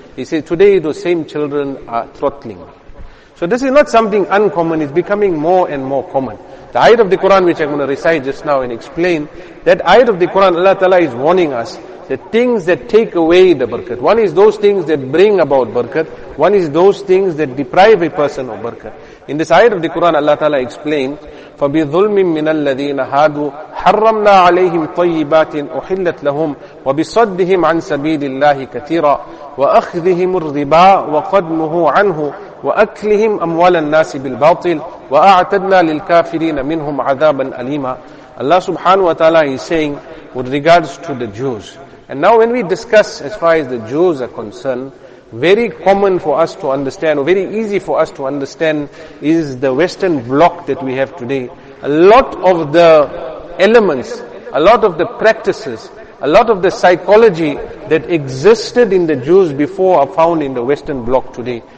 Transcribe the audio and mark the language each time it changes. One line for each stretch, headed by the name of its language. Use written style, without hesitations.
English: He says, today those same children are throttling. So this is not something uncommon, it's becoming more and more common. The ayat of the Quran which I'm going to recite just now and explain, that ayat of the Quran, Allah Ta'ala is warning us, the things that take away the barakat. One is those things that bring about barakat, one is those things that deprive a person of barakat. In this ayat of the Quran, Allah Ta'ala explained,
Arabic: فَبِظُلْمٍ مِّنَ الَّذِينَ هَادُوا حَرَّمْنَا عَلَيْهِمْ طَيِّبَاتٍ أُحِلَّتْ لَهُمْ وَبِصَدِّهِمْ عَنْ سَبِيلِ اللَّهِ كَثِيرًا وَأَخْذِهِمُ الرِّبَا وَقَدْ نُهُوا عَنْهُ وَأَكْلِهِمْ أَمْوَالَ النَّاسِ بِالْبَاطِلِ وَأَعْتَدْنَا لِلْكَافِرِينَ مِنْهُمْ عَذَابًا أَلِيمًا.
English: Allah subhanahu wa ta'ala is saying with regards to the Jews. And now when we discuss as far as the Jews are concerned, very common for us to understand, or very easy for us to understand, is the Western bloc that we have today. A lot of the elements, a lot of the practices, a lot of the psychology that existed in the Jews before are found in the Western bloc today.